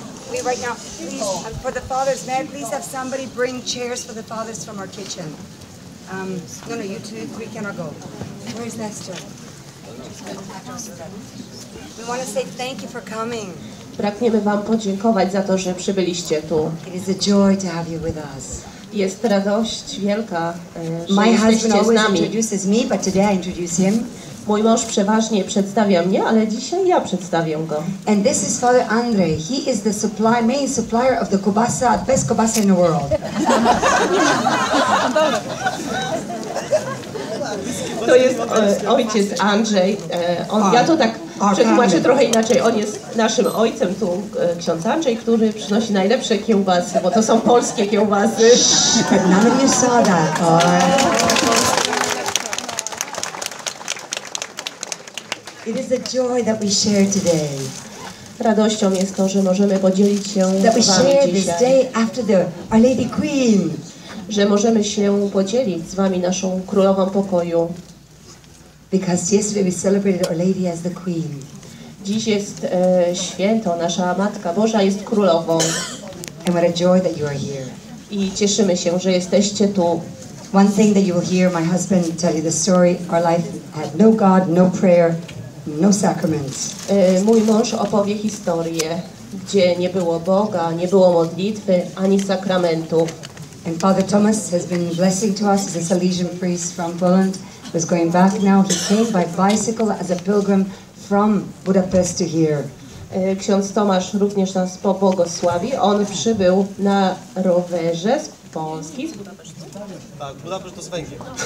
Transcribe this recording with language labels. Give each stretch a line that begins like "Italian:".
English: We right now, please, for the fathers, may I please have somebody bring chairs for the fathers from our kitchen. No, no, you two, we cannot go. Where is Lester? We want to say thank you for coming.
Polish: Pragniemy wam podziękować za to, że przybyliście tu.
English: It is a joy to have you with us.
Polish: Jest radość wielka, że my jesteście z nami.
English: My husband always introduces me, but today I introduce him.
Polish: Mój mąż przeważnie przedstawia mnie, ale dzisiaj ja przedstawię go.
English: And this is Father Andrzej. He is the supply, main supplier of the kubasa, best kubasa in the world.
Polish: To jest ojciec Andrzej. Ja to tak przetłumaczę trochę inaczej. On jest naszym ojcem tu, ksiądz Andrzej, który przynosi najlepsze kiełbasy, bo to są polskie kiełbasy. Nawet nie soda.
English: It is a joy that we share today.
Polish: Radością jest to, że możemy podzielić się
English: that
Polish: z wami dzisiaj.
English: This day after the Our Lady Queen.
Polish: Że możemy się podzielić z wami naszą królową pokoju.
English: Because yesterday we celebrated Our Lady as the Queen.
Polish: Dziś jest święto, nasza Matka Boża jest królową.
English: And what a joy that you are here.
Polish: I cieszymy się, że jesteście tu.
English: One thing that you will hear my husband tell you the story. Our life had no God, no prayer. No sacraments.
Polish: Mój mąż opowie historię, gdzie nie było Boga, nie było modlitwy, ani sakramentów.
English: And Father Thomas has been blessing to us as a Salesian priest from Poland. He's going back now. He came by bicycle as a pilgrim from Budapest to here.
Polish: Ksiądz Tomasz również nas pobłogosławi. On przybył na rowerze z Polski. Z Budapesztu. Tak, Budapesz to z Węgier.